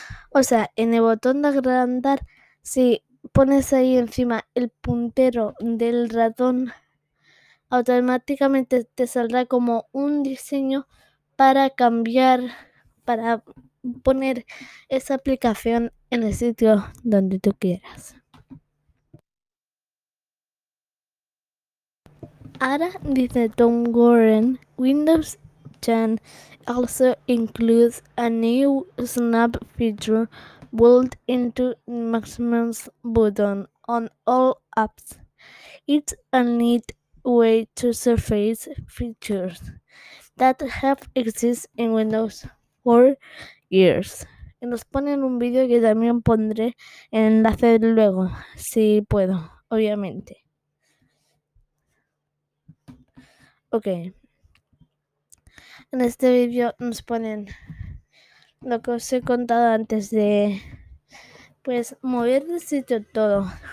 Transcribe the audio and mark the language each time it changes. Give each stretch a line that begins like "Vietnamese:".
Spanish: O sea, en el botón de agrandar, si pones ahí encima el puntero del ratón, automáticamente te saldrá como un diseño para cambiar, para poner esa aplicación en el sitio donde tú quieras. Ahora dice
English: Tom Gordon, Windows 10 also includes a new snap feature built into maximum button on all apps. It's a neat way to surface features that have existed in Windows for years.
Spanish: Y nos ponen un vídeo que también pondré en enlace luego, si puedo, obviamente. Ok. En este vídeo nos ponen lo que os he contado antes de, pues, mover de sitio todo.